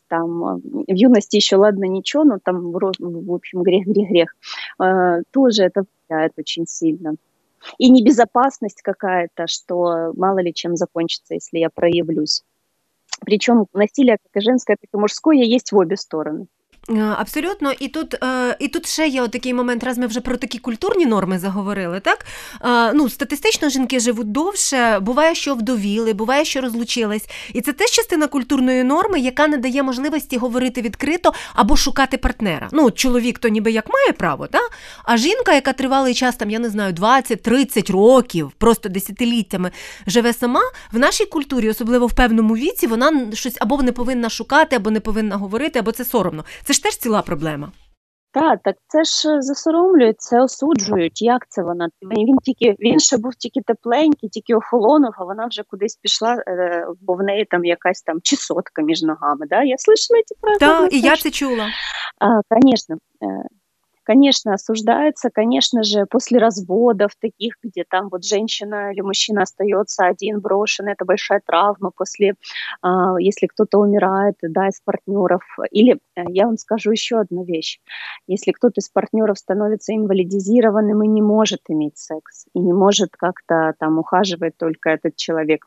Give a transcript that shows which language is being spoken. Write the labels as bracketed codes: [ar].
[ru] Там, в юности еще ладно, ничего, но там, в общем, грех. Тоже это влияет очень сильно. И небезопасность какая-то, что мало ли чем закончится, если я проявлюсь. Причем насилие как и женское, так и мужское есть в обе стороны. [uk] Абсолютно, і тут ще є отакий момент, раз ми вже про такі культурні норми заговорили, так? Ну, статистично жінки живуть довше, буває, що вдовіли, буває, що розлучились. І це теж частина культурної норми, яка не дає можливості говорити відкрито або шукати партнера. Ну, чоловік то ніби як має право, так? А жінка, яка тривалий час, там, я не знаю, 20-30 років, просто десятиліттями, живе сама, в нашій культурі, особливо в певному віці, вона щось або не повинна шукати, або не повинна говорити, або це соромно. Це ж теж ціла проблема. Так, це ж засоромлюють, це осуджують, як це вона. Він ще був тільки тепленький, тільки охолонув, а вона вже кудись пішла, бо в неї там якась там чесотка між ногами. [ru] Да? Я слышала [uk] ці правила. Так, і я це чула. Звісно. [ru] Конечно, осуждается, конечно же, после разводов таких, где там вот женщина или мужчина остается один, брошенный, это большая травма, после, если кто-то умирает, да, из партнеров. Или я вам скажу еще одну вещь. Если кто-то из партнеров становится инвалидизированным и не может иметь секс, и не может как-то там ухаживать только этот человек.